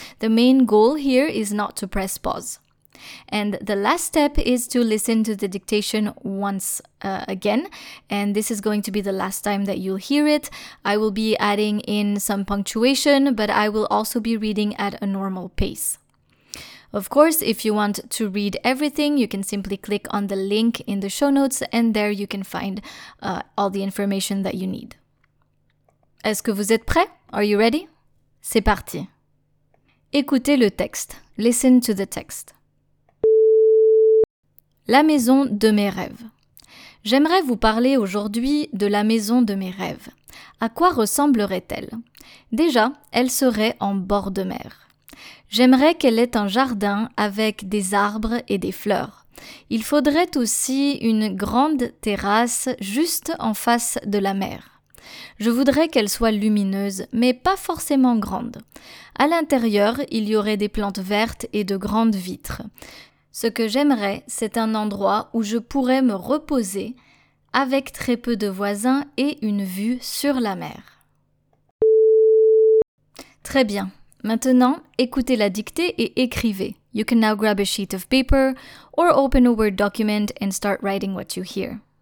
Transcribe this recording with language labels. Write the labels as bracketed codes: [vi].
[en] The main goal here is not to press pause. And the last step is to listen to the dictation once again, and this is going to be the last time that you'll hear it. I will be adding in some punctuation, but I will also be reading at a normal pace. Of course, if you want to read everything, you can simply click on the link in the show notes, and there you can find all the information that you need. [fr] Est-ce que vous êtes prêts? [en] Are you ready? [fr] C'est parti! Écoutez le texte. [en] Listen to the text. [fr] La maison de mes rêves. J'aimerais vous parler aujourd'hui de la maison de mes rêves. À quoi ressemblerait-elle? Déjà, elle serait en bord de mer. J'aimerais qu'elle ait un jardin avec des arbres et des fleurs. Il faudrait aussi une grande terrasse juste en face de la mer. Je voudrais qu'elle soit lumineuse, mais pas forcément grande. À l'intérieur, il y aurait des plantes vertes et de grandes vitres. Ce que j'aimerais, c'est un endroit où je pourrais me reposer avec très peu de voisins et une vue sur la mer. Très bien. Maintenant, écoutez la dictée et écrivez. [en] You can now grab a sheet of paper or open a Word document and start writing what you hear.